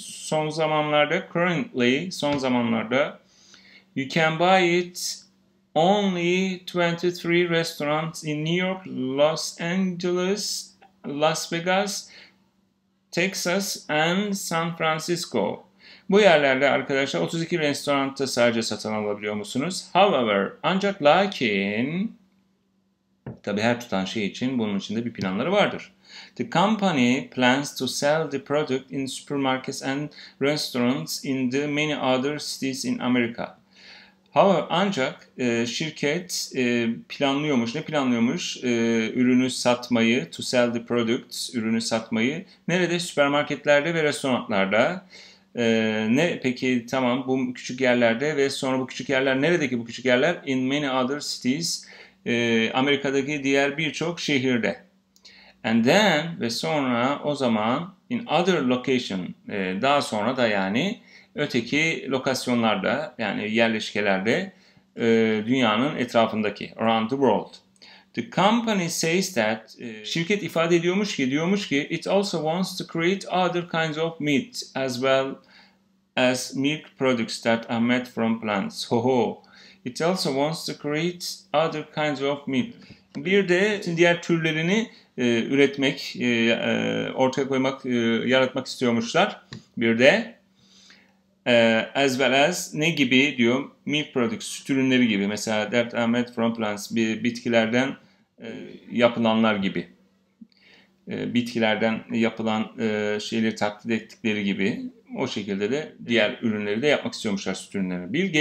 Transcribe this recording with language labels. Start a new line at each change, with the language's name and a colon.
Turkish: Son zamanlarda,
English: currently, son zamanlarda you can buy it only 23 restaurants in New York, Los Angeles, Las Vegas, Texas and San Francisco.
Turkish: Bu yerlerde arkadaşlar 32 restoranda sadece satın alabiliyor musunuz? However, ancak lakin tabi her tutan şey için bunun içinde bir planları vardır.
English: The company plans to sell the product in supermarkets and restaurants in the many other cities in America.
Turkish: However, ancak şirket planlıyormuş. Ne planlıyormuş? Ürünü satmayı,
English: to sell the products,
Turkish: ürünü satmayı. Nerede? Süpermarketlerde ve restoranlarda. Ne? Peki tamam, bu küçük yerlerde ve sonra bu küçük yerler, neredeki bu küçük yerler?
English: In many other cities,
Turkish: Amerika'daki diğer birçok şehirde.
English: And then,
Turkish: ve sonra o zaman,
English: in other location,
Turkish: daha sonra da yani, öteki lokasyonlarda yani yerleşkelerde dünyanın etrafındaki
English: around the world. The company says that
Turkish: şirket ifade ediyormuş ki
English: it also wants to create other kinds of meat as well as milk products that are made from plants. Hoho. It also wants to create other kinds of meat.
Turkish: Bir de diğer türlerini üretmek, ortaya koymak, yaratmak istiyormuşlar. Bir de
English: as well as
Turkish: ne gibi diyor,
English: milk products,
Turkish: süt ürünleri gibi mesela
English: that are made from plants,
Turkish: bitkilerden yapılanlar gibi, bitkilerden yapılan şeyleri taklit ettikleri gibi, o şekilde de diğer ürünleri de yapmak istiyormuşlar, süt ürünleri.